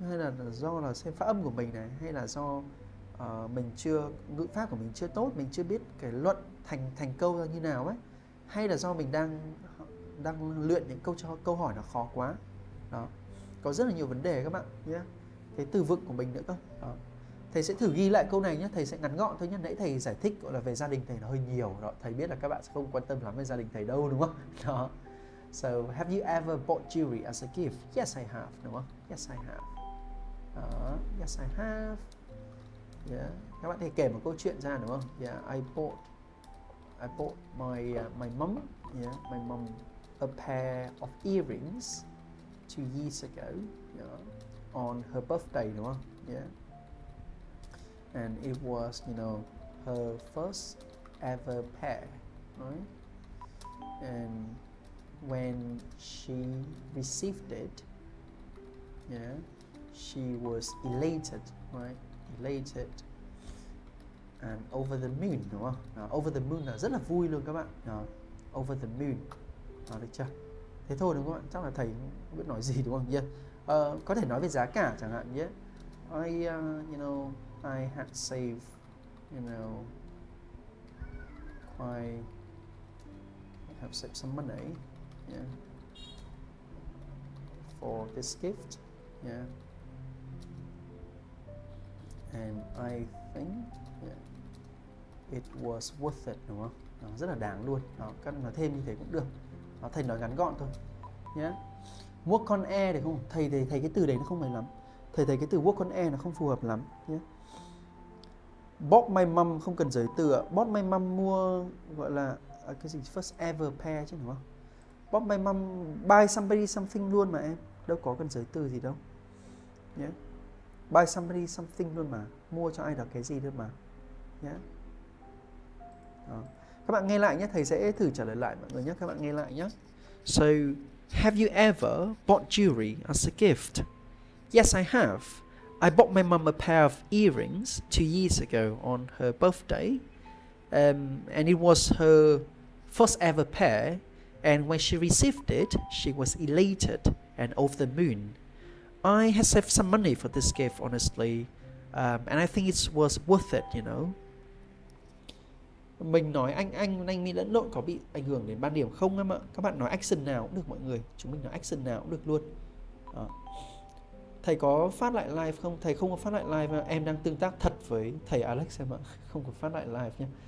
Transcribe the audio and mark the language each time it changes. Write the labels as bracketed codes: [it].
[vi] Hay là do là xem phát âm của mình này, hay là do... mình chưa, ngữ pháp của mình chưa tốt, mình chưa biết cái luận thành câu ra như nào ấy, hay là do mình đang luyện những câu hỏi nó khó quá. Đó. Có rất là nhiều vấn đề các bạn nhé. Yeah. Cái từ vựng của mình nữa cơ. Đó. Thầy sẽ thử ghi lại câu này nhé, thầy sẽ ngắn gọn thôi nhé. Nãy thầy giải thích gọi là về gia đình thầy nó hơi nhiều. Đó. Thầy biết là các bạn sẽ không quan tâm lắm về gia đình thầy đâu đúng không? Đó. [en] So, have you ever bought jewelry as a gift? Yes, I have, [vi] đúng không? [en] Yes, I have. Đó. Yes, I have. Yeah. [vi] Các bạn thì kể một câu chuyện ra đúng không? [en] Yeah, I bought my mom, yeah, my mom a pair of earrings 2 years ago, yeah, on her birthday [vi] đúng không? [en] Yeah. And it was, you know, her first ever pair, right? And when she received it, yeah, she was elated, right? Elated. And over the moon, [vi] đúng không? [en] Over the moon [vi] là rất là vui luôn các bạn. [en] Over the moon, [vi] đó, được chưa? Thế thôi đúng không các bạn? Chắc là thầy không biết nói gì đúng không? Yeah. Có thể nói về giá cả chẳng hạn nhé. Yeah. [en] I had saved, you know, quite, I have saved some money, yeah, for this gift, yeah. And I think, yeah, it was worth it, [vi] đúng không? Đó, rất là đáng luôn. Đó, các bạn nói thêm như thế cũng được. Đó, thầy nói ngắn gọn thôi. Nhé. Yeah. [en] Work on air [vi] được không? Thầy cái từ đấy nó không phải lắm. Thầy thấy cái từ [en] work on air [vi] nó không phù hợp lắm. Nhé. Yeah. [en] Bought my mom [vi] không cần giới từ. Bought my mom mua gọi là cái gì? [en] First ever pair [vi] chứ đúng không? [en] Bought my mom buy somebody something [vi] luôn mà em. Đâu có cần giới từ gì đâu. Nhé. Yeah. [en] Buy somebody something [vi] luôn mà. Mua cho ai đó cái gì luôn mà. Nhé. Yeah. Các bạn nghe lại nhé, thầy sẽ thử trả lời lại mọi người nhé, các bạn nghe lại nhé. [en] So, have you ever bought jewelry as a gift? Yes, I have. I bought my mum a pair of earrings 2 years ago on her birthday. And it was her first ever pair. And when she received it, she was elated. and of the moon. I have saved some money for this gift, honestly, and I think it was worth it, you know. [vi] Mình nói anh mình lẫn lộn có bị ảnh hưởng đến ban điểm không em ạ? Các bạn nói action nào cũng được mọi người. Chúng mình nói action nào cũng được luôn. Đó. Thầy có phát lại live không? Thầy không có phát lại live mà. Em đang tương tác thật với thầy Alex em ạ. Không có phát lại live nhé.